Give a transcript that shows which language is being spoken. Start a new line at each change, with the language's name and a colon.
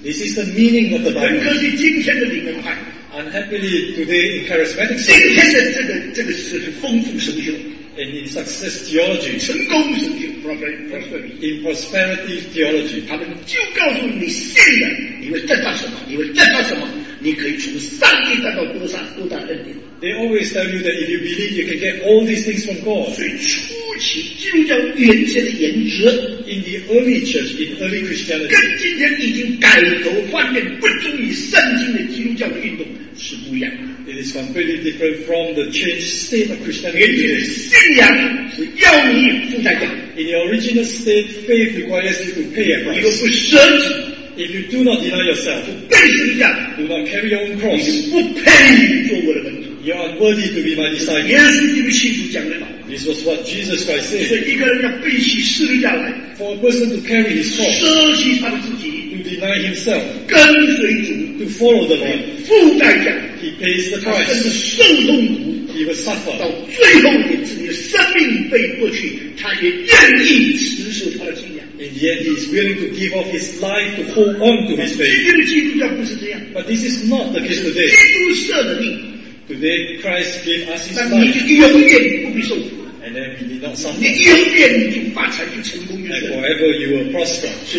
English: This is the meaning of the Bible. Unhappily, today in charismatic circles, and in success theology, in prosperity theology,
Chinese: 你可以从上帝得到多少多大恩典。
English: They always tell you that if you believe, you can get all these things from God.
Chinese: 所以初期基督教原先的原则
English: ，in the early church, in early Christianity,
Chinese: 跟今天已经改头换面、不忠于圣经的基督教运动是不一样的。
English: It is completely different from the changed state of Christianity.
Chinese: 原先的信仰是要你付代价。
English: In the original state, faith requires you to pay a price.
Chinese: 你若不舍己。
English: If you do not deny yourself,
Chinese: 就背十字架
English: do not carry your own cross,
Chinese: 你不配做我的门徒
English: you are unworthy to be my disciple.
Chinese: 耶稣基督信徒讲的嘛
English: This was what Jesus Christ said.
Chinese: 所以一个人要背起十字架来
English: for a person to carry his cross,
Chinese: 舍弃他的自己
English: to deny himself,
Chinese: 跟随主
English: to follow the Lord,
Chinese: 付代价
English: he pays the price,
Chinese: 他甚至受痛苦
English: he will suffer,
Chinese: 到最后连自己的生命被剥去他也愿意持守他的信仰
English: And yet he is willing to give up his life to hold on to his faith. But this is not the case today. Today, Christ gave us his life. And then we did not suffer. And forever you will prosper.